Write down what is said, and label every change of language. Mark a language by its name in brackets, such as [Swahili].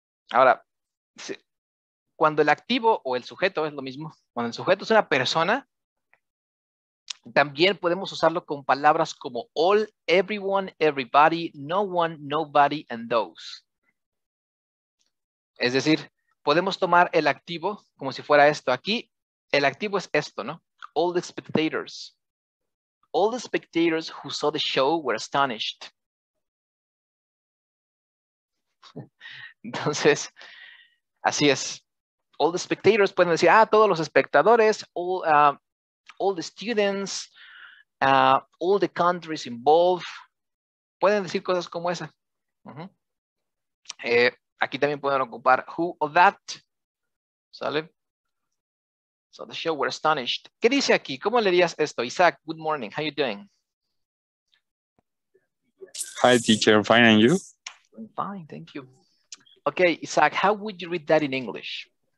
[Spanish] Ahora, sí. Cuando el activo o el sujeto es lo mismo, cuando el sujeto es una persona, también podemos usarlo con palabras como [English] all, everyone, everybody, no one, nobody, and those. [Spanish] Es decir, podemos tomar el activo como si fuera esto. Aquí, el activo es esto, ¿no? [English] All the spectators. All the spectators who saw the show were astonished. [Spanish] Entonces, así es. [English] all the spectators pueden decir, ah, todos los espectadores, all the students, all the countries involved. [Spanish] Pueden decir cosas como esa. Aquí también pueden ocupar who or that. ¿Sale? [English] So the show were astonished. [Spanish] ¿Qué dice aquí? ¿Cómo le dirías esto? Isaac, [English] good morning. How are you doing? Hi, teacher. Fine, and you? I'm fine, thank you. Okay, Isaac, how would you read that in English?